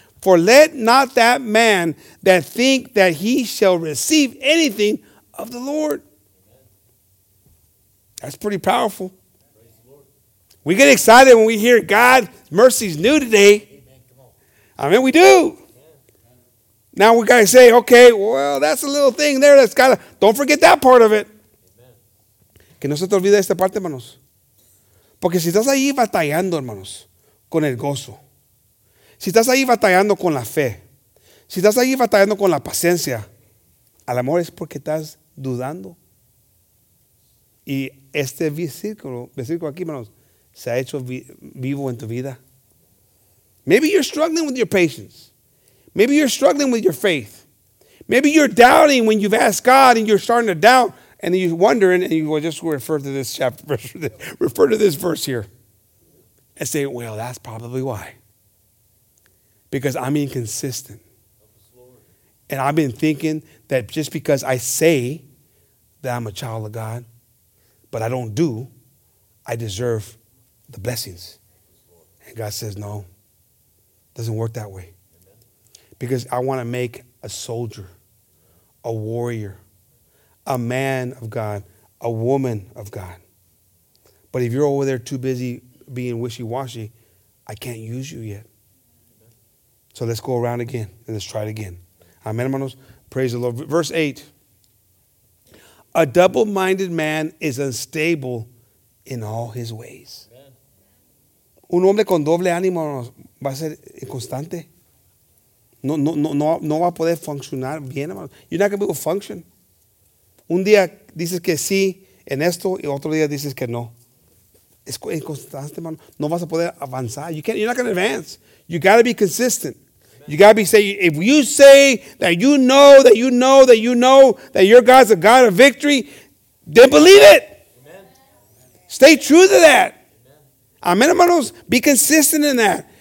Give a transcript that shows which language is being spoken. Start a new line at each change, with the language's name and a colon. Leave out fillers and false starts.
English: For let not that man that think that he shall receive anything of the Lord. Amen. That's pretty powerful. We get excited when we hear God's mercy is new today. Amen. I mean, we do. Amen. Now we got to say, okay, well, that's a little thing there that's got to, don't forget that part of it.
Spanish: Que no se te olvide esta parte, hermanos. Porque si estás ahí batallando, hermanos, con el gozo. Si estás ahí batallando con la fe, si estás ahí batallando con la paciencia, a lo mejor es porque estás dudando. Y este versículo aquí, hermanos, se ha hecho vivo en tu vida.
English: Maybe you're struggling with your patience. Maybe you're struggling with your faith. Maybe you're doubting when you've asked God and you're starting to doubt. And then you're wondering, and you will just refer to this chapter, refer to this verse here, and say, well, that's probably why. Because I'm inconsistent. And I've been thinking that just because I say that I'm a child of God, but I don't do, I deserve the blessings. And God says, no, doesn't work that way. Because I want to make a soldier, a warrior, a man of God, a woman of God. But if you're over there too busy being wishy-washy, I can't use you yet. So let's go around again and let's try it again. Amen, hermanos. Praise the Lord. Verse 8. A double-minded man is unstable in all his ways. Amen.
Spanish: Un hombre con doble ánimo va a ser inconstante. No va a poder funcionar bien, hermano.
English: You're not going to be able to function.
Spanish: Un día dices que sí en esto y otro día dices que no. Es inconstante, hermano. No vas a poder avanzar.
English: You're not going to advance. You got to be consistent. You got to be saying, if you say that you know, that you know, that you know that your God's a God of victory, then believe it. Amen. Stay true to that. Amen, hermanos. Be consistent in that.